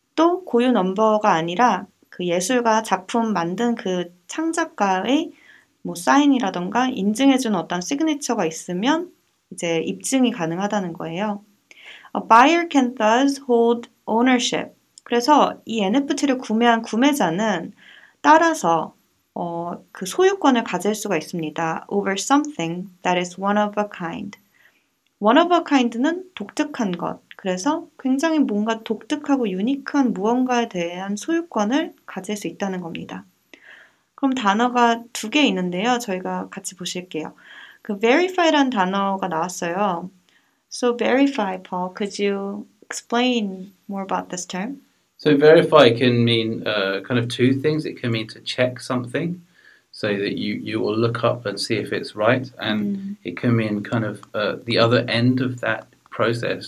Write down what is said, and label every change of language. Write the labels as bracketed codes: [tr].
[ko] 또 고유 넘버가 아니라 그 예술가 작품 만든 그 창작가의 뭐 사인이라던가 인증해준 어떤 시그니처가 있으면 이제 입증이 가능하다는 거예요. [en] A buyer can thus hold ownership. [ko] 그래서 이 NFT를 구매한 구매자는 따라서 그 소유권을 가질 수가 있습니다. [en] Over something that is one of a kind. One of a kind [ko] 는 독특한 것. 그래서 굉장히 뭔가 독특하고 유니크한 무언가에 대한 소유권을 가질 수 있다는 겁니다. 그럼 단어가 두 개 있는데요. 저희가 같이 보실게요. 그 verify란 단어가 나왔어요. [en] So verify, Paul, could you explain more about this term? So verify can mean kind of two things. It can mean to check something, so that you will look up and see if it's right. And it can mean kind of the other end of that process.